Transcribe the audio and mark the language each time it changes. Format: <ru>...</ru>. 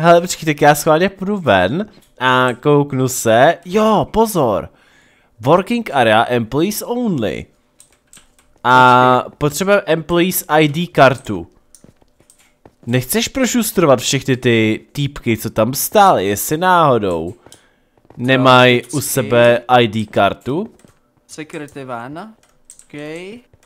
<cs>Hele, počkej, tak já schválně půjdu ven a kouknu se. Jo, pozor.</cs> <en>Working area, employees only.</en> <cs>A potřebujeme</cs> <en>employees</en> <cs>ID kartu. Nechceš prošustrovat všechny ty týpky, co tam stály, jestli náhodou nemají u sebe ID kartu?</cs> <en>Security van, okej.</en>